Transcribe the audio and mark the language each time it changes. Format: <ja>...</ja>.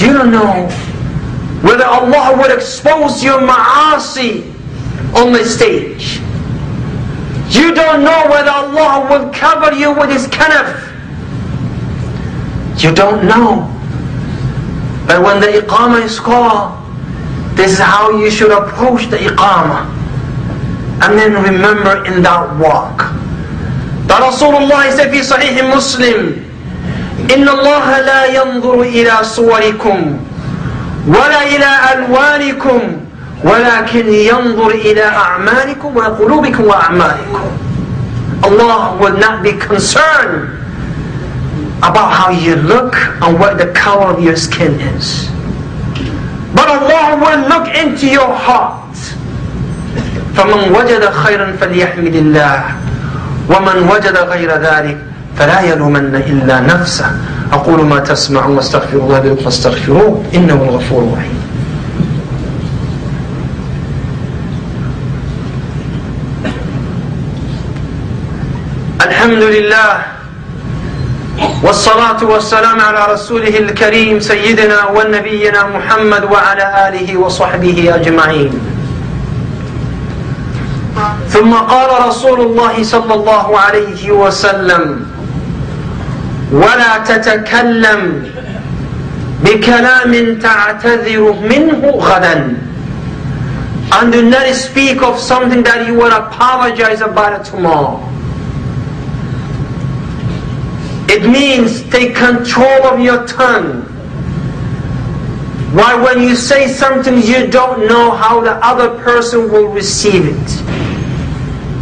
<en>You don't know whether Allah would expose your ma'asi on the stage. You don't know whether Allah would cover you with His kanaf. You don't know. But when the iqamah is called, this is how you should approach the iqamah. And then remember in that walk that Rasulullah said in Sahih Muslim,</en> <ar>إن الله لا ينظر إلى صوركم ولا إلى ألوانكم ولكن ينظر إلى أعمالكم وقلوبكم وأعمالكم.</ar> <en>Allah will not be concerned about how you look and what the color of your skin is. But Allah will look into your heart.</en> <ar>فمن وجد خيرا فليحمد الله ومن وجد غير ذلك فلا يلومن إلا نفسه. أقول ما تسمع واستغفر الله لكم فاستغفروه إنه الغفور الرحيم. الحمد لله والصلاة والسلام على رسوله الكريم سيدنا ونبينا محمد وعلى آله وصحبه أجمعين. ثم قال رسول الله صلى الله عليه وسلم: ولا تتكلم بكلام تعتذر منه غدا.</ar> <en>And do not speak of something that you will apologize about it tomorrow. It means take control of your tongue. Why, when you say something, you don't know how the other person will receive it.</en>